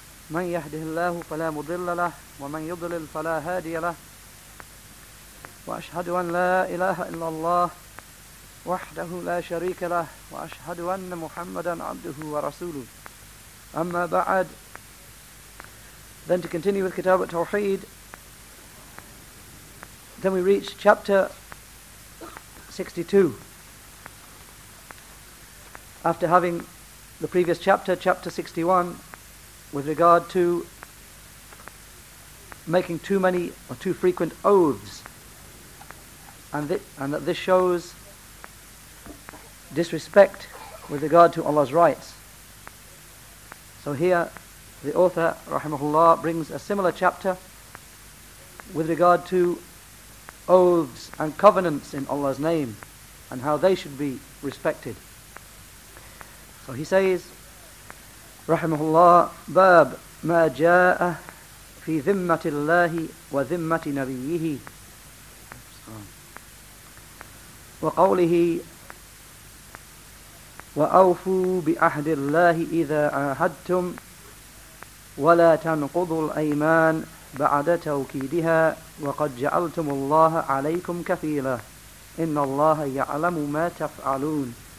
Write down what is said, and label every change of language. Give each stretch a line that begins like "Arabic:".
Arabic: من يهده الله فلا مضل له، ومن يضلل فلا هادي له. وأشهد أن لا إله إلا الله وحده لا شريك له وأشهد أن محمدا عبده ورسوله أما بعد.
English: Then to continue with Kitab al-Tawheed, then we reach chapter 62. After having the previous chapter, chapter 61, with regard to making too many or too frequent oaths, and that this shows disrespect with regard to Allah's rights. So here, the author, rahimahullah, brings a similar chapter with regard to oaths and covenants in Allah's name and how they should be respected. So he says,
Arabic: rahimahullah, bab ma ja'a fi dhimmati Allahi wa dhimmati nabiyyihi wa qawlihi وَأَوْفُوا بِأَحْدِ اللَّهِ إِذَا عَاهَدْتُمْ وَلَا تَنْقُضُوا الْأَيْمَانِ بَعْدَ تَوْكِيدِهَا وَقَدْ جَعَلْتُمُ اللَّهَ عَلَيْكُمْ كَفِيلًا إِنَّ اللَّهَ يَعْلَمُ مَا تَفْعَلُونَ.